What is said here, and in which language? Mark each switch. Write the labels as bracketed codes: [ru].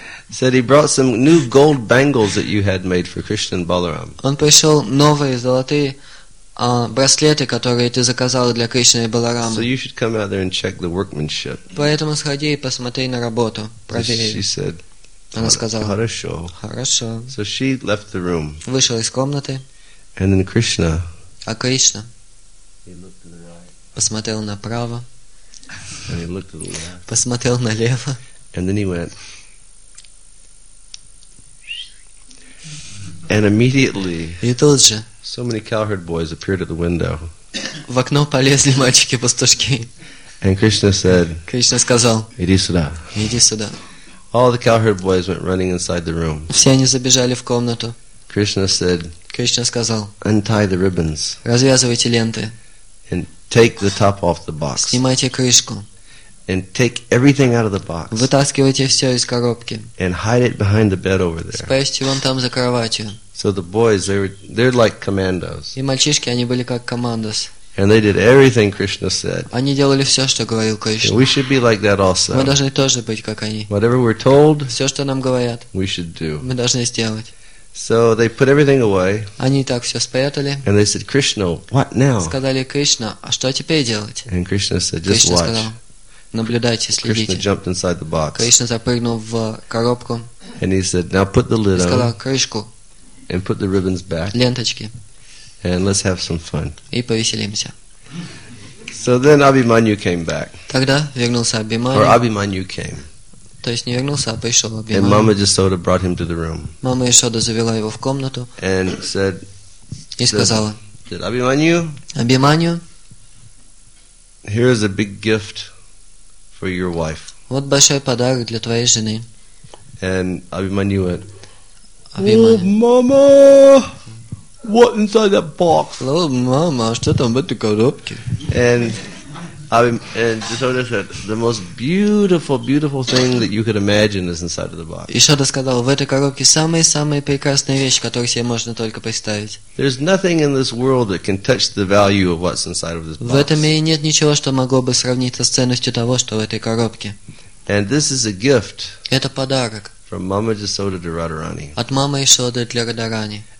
[en] Said he brought some new gold bangles that you had made for Krishna and Balaram. [ru] Он пришел новые золотые браслеты, которые ты заказал для Кришны и Баларамы. [en] So you should come out there and check the workmanship. [ru] Поэтому сходи и посмотри на работу, проверь. [en] She said. [ru] Она сказала. Хорошо. Хорошо. [en] So she left the room. [ru] Вышел из комнаты. [en] And then Krishna. [ru] А Кришна. Посмотрел направо. [en] And he looked at the left. [ru] Посмотрел налево. [en] And then he went. And immediately. [ru] И тут же. [en] So many cowherd boys appeared at the window. [ru] В окно полезли мальчики-пастушки. [en] And Krishna said. [ru] Кришна сказал. Иди сюда. Иди сюда. [en] All the cowherd boys went running inside the room. [ru] Все они забежали в комнату. [en] Krishna said. [ru] Кришна сказал. [en] Untie the ribbons. [ru] Развязывайте ленты. [en] And take the top off the box. [ru] Снимайте крышку. [en] And take everything out of the box. [ru] Вытаскивайте все из коробки. [en] And hide it behind the bed over there. [ru] Спрячьте вон там за кроватью. [en] So the boys, they're like commandos. [ru] И мальчишки, они были как командос. [en] And they did everything Krishna said. [ru] Они делали все, что говорил Кришна. [en] We should be like that also. [ru] Мы должны тоже быть как они. [en] Whatever we're told, [ru] все, что нам говорят, [en] we should do. [ru] Мы должны сделать. [en] So they put everything away. [ru] Они так все спрятали. [en] And they said, Krishna, what now? [ru] Сказали Кришна, а что теперь делать? [en] And Krishna said, just watch. [ru] Кришна сказал, наблюдайте, следите. [en] Krishna jumped inside the box. [ru] Кришна запрыгнул в коробку. [en] And he said, now put the lid on. [ru] Сказал крышку. [en] And put the ribbons back. [ru] Ленточки. [en] And let's have some fun. [ru] И повеселимся. [en] So then Abhimanyu came back. [ru] Тогда вернулся Абхиманю. [en] Or Abhimanyu came. [ru] То есть не вернулся, а пришел в Абхиманю. [en] And Mama Jasoda brought him to the room. [ru] Мама Jasoda завела его в комнату. [en] And said. [ru] И сказала. [en] Said Abhimanyu. [ru] Abhimanyu. [en] Here is a big gift for your wife. [ru] Вот большой подарок для твоей жены. [en] And Abhimanyu went. [ru] Abhimanyu. [en] Oh, Mama, what inside that box? [ru] Oh, Mama, что там в этой коробке? [en] And And Jasoda said, "The most beautiful, beautiful thing that you could imagine is inside of the box." [ru] Jasoda сказал, в этой коробке самые самые прекрасные вещи, которые себе можно только представить. [en] There's nothing in this world that can touch the value of what's inside of this box. [ru] В этом мире нет ничего, что могло бы сравниться с ценностью того, что в этой коробке. [en] And this is a gift. [ru] Это подарок. [en] From Mama Jasoda to Radharani. [ru] От мамы Jasoda для Радарани.